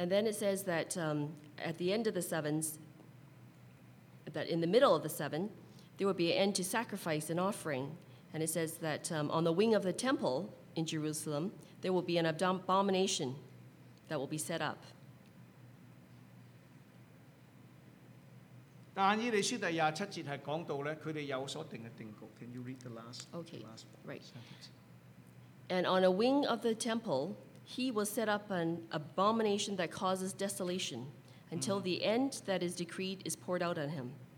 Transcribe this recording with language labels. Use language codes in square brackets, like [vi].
[en] And then it says that at the end of the sevens, that in the middle of the seven, there will be an end to sacrifice and offering. And it says that on the wing of the temple in Jerusalem, there will be an abomination that will be set up. [zh] 但以利书第27节系讲到咧，佢哋有所定嘅定局。 [en] Can you read the last? Okay. The last right. And on a wing of the temple, he will set up an abomination that causes desolation until the end that is decreed is poured out on him.